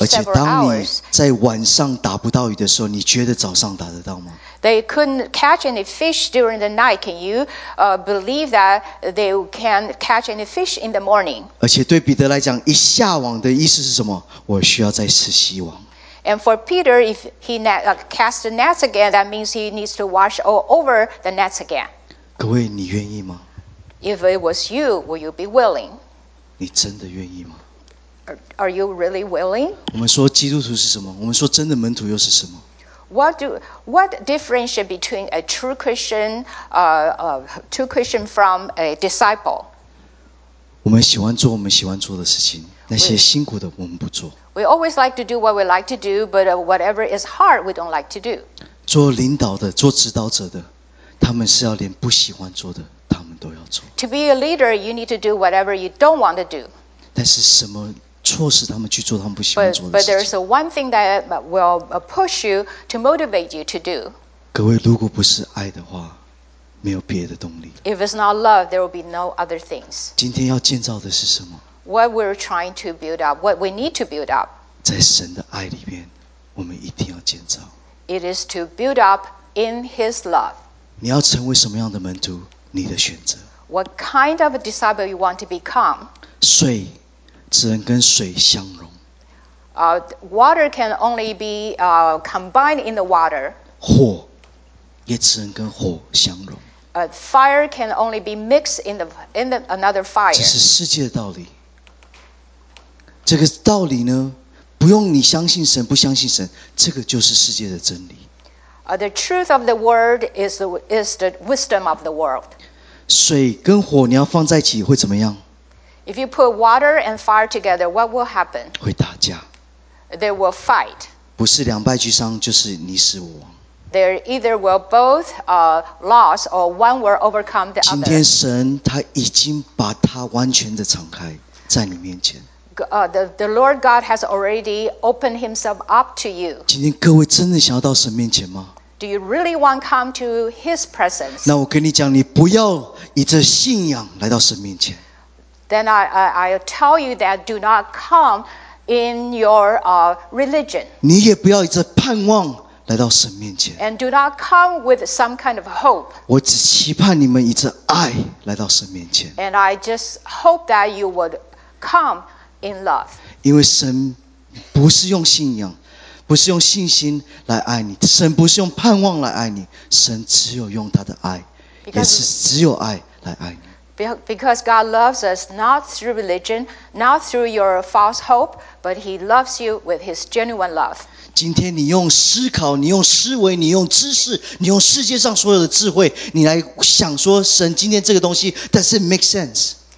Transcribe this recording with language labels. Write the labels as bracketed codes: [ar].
[zh] 而且当你在晚上打不到鱼的时候，你觉得早上打得到吗？ [en] They couldn't catch any fish during the night. Can you believe that they can catch any fish in the morning? [zh] 而且对彼得来讲，一下网的意思是什么？我需要再次洗网。 [en] And for Peter, if he cast the nets again, that means he needs to wash all over the nets again. [zh] 各位，你愿意吗 [en] ？If it was you, would you be willing? [zh] 你真的愿意吗 [en] ？Are you really willing? [zh] 我们说基督徒是什么？我们说真的门徒又是什么 [en] ？What differentiate between a true Christian, true Christian from a disciple? [zh] 我们喜欢做我们喜欢做的事情，那些辛苦的我们不做。 [en] We always like to do what we like to do, but whatever is hard, we don't like to do. [zh] 做领导的，做指导者的。他们是要连不喜欢做的，他们都要做。 [en] To be a leader, you need to do whatever you don't want to do. [zh] 但是什么促使他们去做他们不喜欢做的事情 [en] ？But there is one thing that will push you to motivate you to do. [zh] 各位，如果不是爱的话，没有别的动力。 [en] If it's not love, there will be no other things. [zh] 今天要建造的是什么？ [en] What we're trying to build up, what we need to build up. [zh] 在神的爱里面，我们一定要建造。 [en] It is to build up in His love. [zh] 你要成为什么样的门徒？你的选择。 [en] What kind of a disciple you want to become? [zh] 水只能跟水相融。 [en] Water can only be combined in the water. [zh] 火也只能跟火相融。 [en] Fire can only be mixed in the another fire. [zh] 这是世界的道理。这个道理呢，不用你相信神，不相信神，这个就是世界的真理。 [en] The truth of the word is the wisdom of the world. [zh] 水跟火你要放在一起会怎么样？ [en] If you put water and fire together, what will happen? [zh] 会打架。 [en] They will fight. [zh] 不是两败俱伤，就是你死我亡。 [en] They either will both lose or one will overcome the other. [zh] 今天神他已经把他完全的敞开在你面前。 [en] The Lord God has already opened Himself up to you. [zh] 今天各位真的想要到神面前吗？ [en] Do you really want to come to His presence? [zh] 那我跟你讲，你不要以这信仰来到神面前。 [en] Then I tell you that do not come. In your religion. [zh] 你也不要一直盼望来到神面前。 [en] And do not come with some kind of hope. [zh] 我只期盼你们一直爱来到神面前。 [en] And I just hope that you would come in love. [zh] 因为神不是用信仰，不是用信心来爱你，神不是用盼望来爱你，神只有用他的爱，也是只有爱来爱你。 [en] Because God loves us not through religion, not through your false hope, but He loves you with His genuine love. [zh] 今天你用思考，你用思维，你用知识，你用世界上所有的智慧，你来想说神今天这个东西 [en] does it make sense?